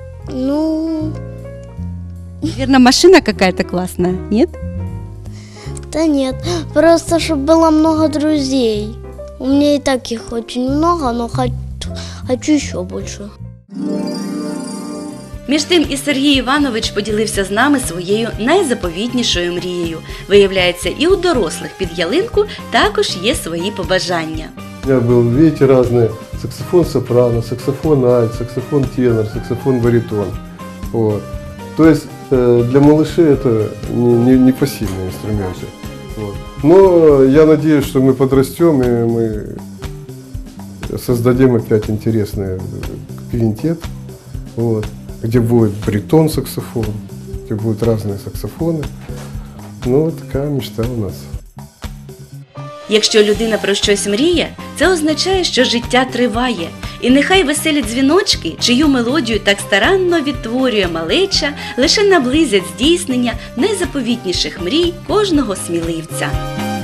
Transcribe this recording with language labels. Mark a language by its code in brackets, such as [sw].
[ru] Ну... Наверное, машина какая-то классная, нет? Да нет, просто чтобы было много друзей. У меня и так их очень много, но хочу еще больше. [uk] Між тим, і Сергій Іванович поділився з нами своєю найзаповітнішою мрією. Виявляється, і у дорослих під ялинку також є свої побажання. Я був, видите, різні. Саксофон сопрано, саксофон альт, саксофон тенор, саксофон баритон. [ru] Вот. [uk] Тобто [ru] для малышей [uk] це не пасивні інструменти. [ru] Вот. Но [uk] я надіюсь, що ми подростемо і ми [ru] создадим опять интересный квинтет, вот, где будет баритон-саксофон, где будут разные саксофоны. Ну, такая мечта у нас. [uk] Якщо людина про щось мріє, це означає, що життя триває. І нехай веселі дзвіночки, чию мелодію так старанно відтворює малеча, лише наблизять здійснення найзаповітніших мрій кожного сміливця.